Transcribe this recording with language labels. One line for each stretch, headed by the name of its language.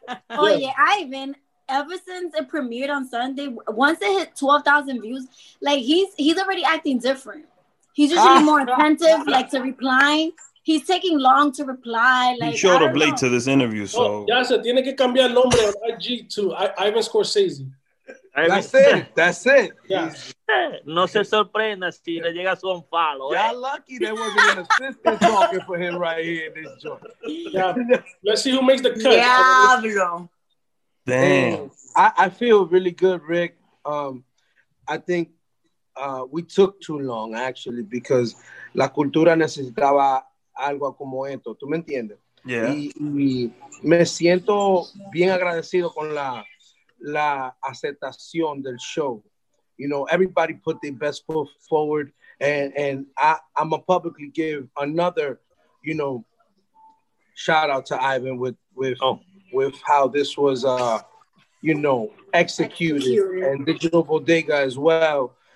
English: Oh, yeah, Ivan, ever since it premiered on Sunday, once it hit 12,000 views, like, he's already acting different. He's just really more attentive, like, to replying. He's taking long to reply. Like, he showed up late to this interview, so.
Spanish: Ya se tiene que cambiar el nombre
English: on IG to Ivan Scorsese. That's it. Yeah.
Spanish: No se sorprenda si le llega su unfollow.
English: Y'all lucky there wasn't an assistant talking for him right here in this joint. Yeah. Let's see who makes the cut.
Spanish: Diablo.
English: Damn. I feel really good, Rick. I think we took too long, actually, because
Spanish: la cultura necesitaba algo como esto, ¿tú me entiendes?
English: Yeah.
Spanish: Y me siento bien agradecido con la aceptación del show.
English: You know, everybody put their best foot forward, and I'm gonna publicly give another, you know, shout out to Ivan with how this was you know, executed, and Digital Bodega as well.